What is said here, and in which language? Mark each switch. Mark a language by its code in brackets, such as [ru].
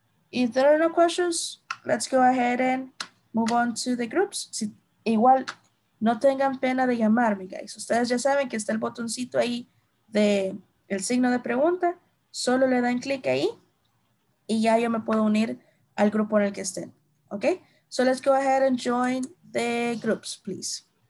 [en] If there are no questions, let's go ahead and move on to the groups. [es] Si, igual, no tengan pena de llamarme, guys. Ustedes ya saben que está el botoncito ahí de el signo de pregunta. Solo le dan clic ahí y ya yo me puedo unir al grupo en el que estén. [en] Okay? So let's go ahead and join the groups, please.